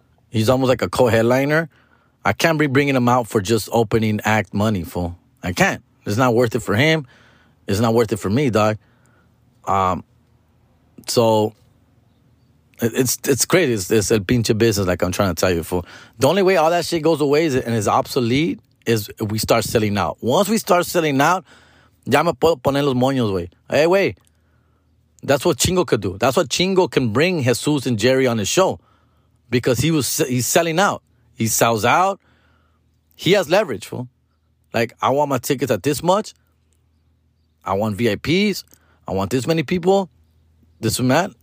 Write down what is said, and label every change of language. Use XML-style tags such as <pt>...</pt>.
<en>He's almost like a co-headliner. I can't be bringing him out for just opening act money, fool. I can't. It's not worth it for him. It's not worth it for me, dog. So it's crazy. It's a pinche business, like I'm trying to tell you, fool. The only way all that shit goes away and is obsolete is if we start selling out. Once we start selling out,</en> <es>ya me puedo poner los moños, güey.</es> <en>Hey, güey. That's what Chingo could do. That's what Chingo can bring Jesus and Jerry on his show. Because he's selling out. He sells out. He has leverage, fool. Like, I want my tickets at this much. I want VIPs. I want this many people. This and that.</en>